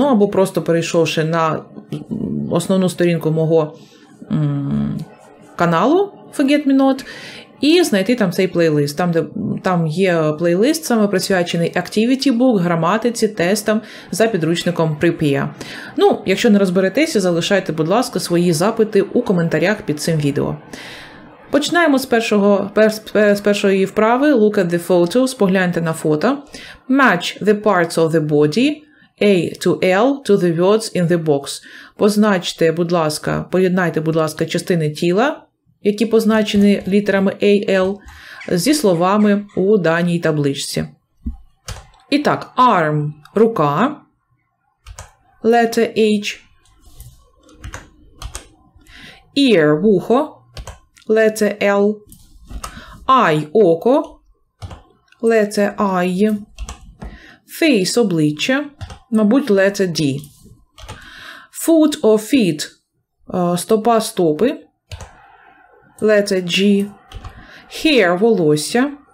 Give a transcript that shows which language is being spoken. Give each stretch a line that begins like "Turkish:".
Ukrainian: Ну, або просто перейшовши на основну сторінку мого каналу Forget Me Not, і знайти там цей плейлист, там, де там є плейлист, саме присвячений Activity Book, граматиці, тестам за підручником Prepare. Ну, якщо не розберетеся, залишайте, будь ласка, свої запити у коментарях під цим відео. Починаємо з першої вправи.
English: Look at the photos,
Ukrainian: погляньте на фото.
English: Match the parts of the body A to L to the words in the box.
Ukrainian: Позначте, будь ласка, поєднайте, будь ласка, частини тіла, які позначені літерами AL, зі словами у даній табличці.
English: І так, arm – рука, letter H, ear – вухо, letter L, eye – око, letter I, face – обличчя, мабуть, letter D, foot – or feet – стопа – стопи, letter G, hair – волосся,